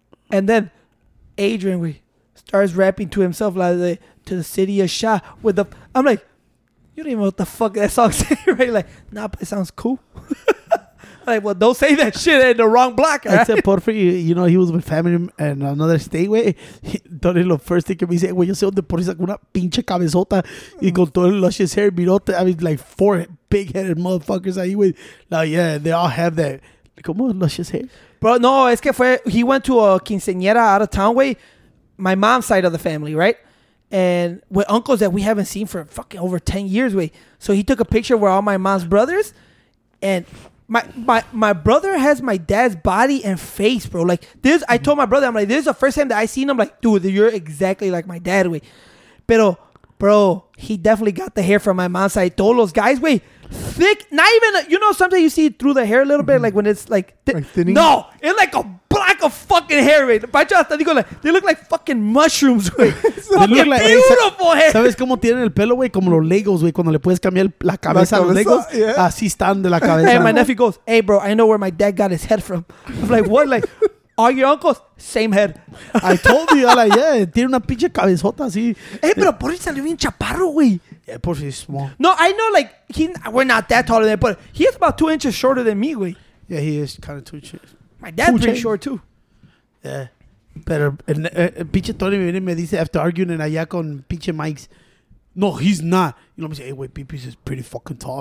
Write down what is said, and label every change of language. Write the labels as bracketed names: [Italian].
[English] And then Adrian, starts rapping to himself, like, to the city of Shah. I'm like, You don't even know what the fuck that song said, right? Like, nah, but it sounds cool. Like, well, don't say that shit in the wrong block. Right? I said, Porfi, you know, he was with family in another state, güey. [Spanish] Entonces, lo [English] first thing [Spanish] que me dice, güey, yo sé dónde Porfi sacó una pinche cabezota y con todo el [English] luscious hair, [Spanish] mirote. [English] I mean, like, four big-headed motherfuckers ahí, güey. Like, yeah, they all have that. [Spanish] ¿Cómo luscious hair? [English] Bro, [Spanish] no, es que fue, [English] he went to a quinceañera out of town, güey. My mom's side of the family, right? And with uncles that we haven't seen for fucking over 10 years, güey. So he took a picture where all my mom's brothers and... My brother has my dad's body and face, bro. Like, this, I told my brother, I'm like, this is the first time that I seen him. Like, dude, you're exactly like my dad, wey. Pero, bro, he definitely got the hair from my mom's side. [Spanish] Todos los guys, [English] wey, thick. Not even, you know, sometimes you see it through the hair a little bit, like when it's like, thinning? No, it's like a block of fucking hair, wey. They look like fucking mushrooms, wey. Fucking like, beautiful hair. [Spanish] ¿Sabes cómo tienen el pelo, wey? Como los Legos, wey. Cuando le puedes cambiar la cabeza a los Legos, yeah. Así están de la cabeza. [English] And my nephew goes, hey, bro, I know where my dad got his head from. I'm like, what? Like, all your uncles, same head. I told you, I'm like, yeah, [Spanish] tiene una pinche cabezota así. Hey, pero por eso salió bien chaparro, wey. Yeah, por si es [English] small. No, I know, like, we're not that tall, but he is about 2 inches shorter than me, wey. Yeah, he is kind of 2 inches. My dad's pretty short, too. [Spanish] Yeah. Pero, pinche Tony me viene y me dice, [English] after arguing and [Spanish] allá con pinche Mike's, no, he's not. [English] You know what I'm saying? Hey, wait, Pipi's is pretty fucking tall.